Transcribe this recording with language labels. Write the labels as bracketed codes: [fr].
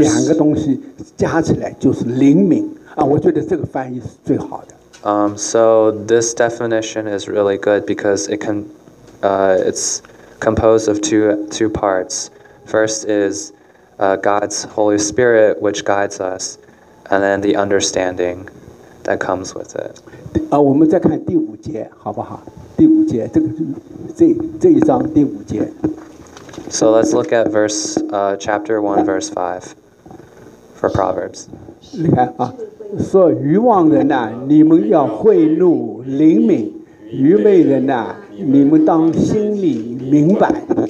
[zh] 两个东西加起来就是灵敏啊，我觉得这个翻译是最好的。 [en] So this definition is really good because it can, it's composed of two parts. First is, God's Holy Spirit, which guides us, and then the understanding that comes with it. [zh] 啊，我们再看第五节，好不好？第五节，这个这一章第五节。 [en] So let's look at verse, chapter 1, verse 5 for Proverbs. [zh] 你看啊，说愚妄人呐，你们要恚怒灵敏；愚昧人呐，你们当心里明白。